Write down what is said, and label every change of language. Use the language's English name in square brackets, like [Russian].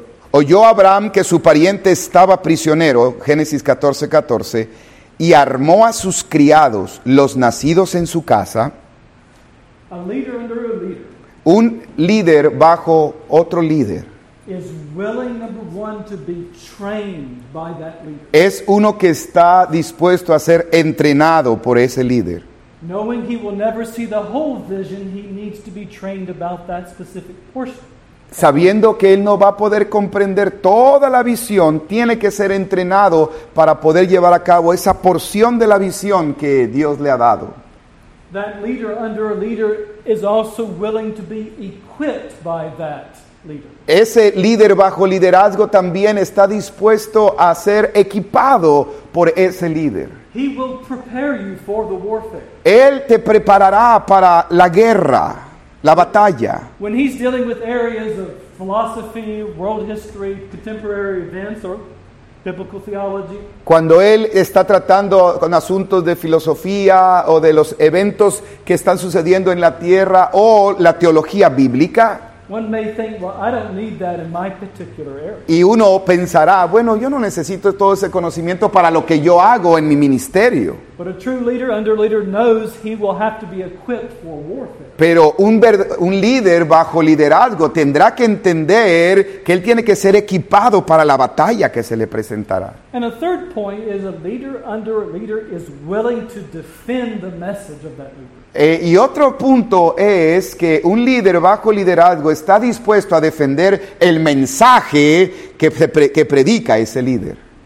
[Spanish] Oyó Abraham que su pariente estaba prisionero, Génesis 14:14, y armó a sus criados, los nacidos en su casa. [English] A leader under a leader. [Spanish] Un líder bajo otro líder. [English] Is willing, number one, to be trained by that leader. [Spanish] Es uno que está dispuesto a ser entrenado por ese líder. [English] Knowing he will never see the whole vision, he needs to be trained about that specific portion. [Spanish] Sabiendo que él no va a poder comprender toda la visión, tiene que ser entrenado para poder llevar a cabo esa porción de la visión que Dios le ha dado. [English] That leader under a leader is also willing to be equipped by that leader. [Spanish] Ese líder bajo liderazgo también está dispuesto a ser equipado por ese líder. [English] He will prepare you for the warfare. [Spanish] Él te preparará para la guerra, la batalla. [English] When he's dealing with areas of philosophy, world history, contemporary events, or biblical theology. [Spanish] Cuando él está tratando con asuntos de filosofía o de los eventos que están sucediendo en la tierra o la teología bíblica. [English] One may think, well, I don't need that in my particular area. [Spanish] Y uno pensará, bueno, yo no necesito todo ese conocimiento para lo que yo hago en mi ministerio. [English] But a true leader, under leader, knows he will have to be equipped for warfare. [Spanish] Pero un líder bajo liderazgo tendrá que entender que él tiene que ser equipado para la batalla que se le presentará. [English] And a third point is a leader under a leader is willing to defend the message of that leader. [Spanish] Y otro punto es que un líder bajo liderazgo está dispuesto a defender el mensaje que predica ese líder.